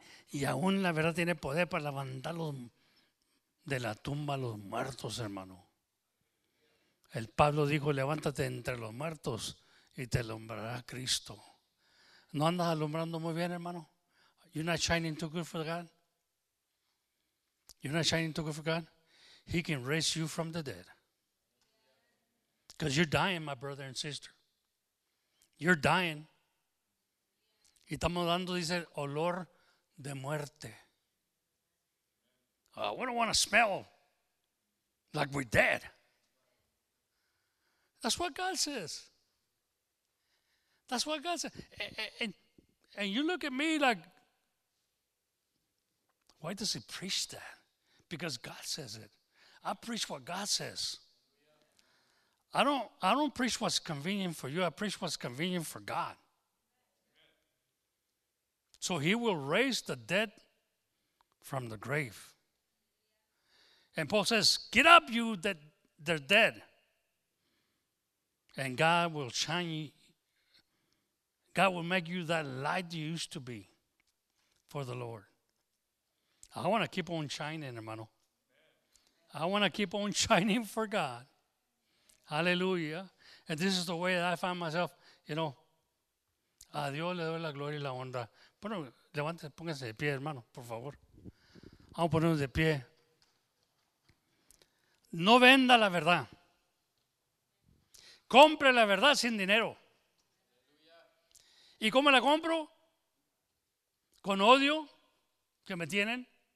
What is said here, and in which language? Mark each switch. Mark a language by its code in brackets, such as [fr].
[es] Y aún la verdad tiene poder para levantar de la tumba a los muertos, hermano. El Pablo dijo, levántate entre los muertos y te alumbrará Cristo. ¿No andas alumbrando muy bien, hermano? [en] You're not shining too good for God. You're not shining too good for God. He can raise you from the dead. Because you're dying, my brother and sister. You're dying. [es] Y estamos dando, dice, olor de muerte. [en] We don't want to smell like we're dead. That's what God says. That's what God said. And you look at me like, why does he preach that? Because God says it. I preach what God says. I don't preach what's convenient for you. I preach what's convenient for God. So he will raise the dead from the grave. And Paul says, get up, you that they're dead. And God will shine you. God will make you that light you used to be for the Lord. I want to keep on shining, [es] hermano. [en] I want to keep on shining for God. Hallelujah. And this is the way that I find myself, you know. [es] A Dios le doy la gloria y la honra. Bueno, levántese, póngase de pie, hermano, por favor. Vamos a ponernos de pie. No venda la verdad. Compre la verdad sin dinero. ¿Y cómo la compro? Con odio que me tienen.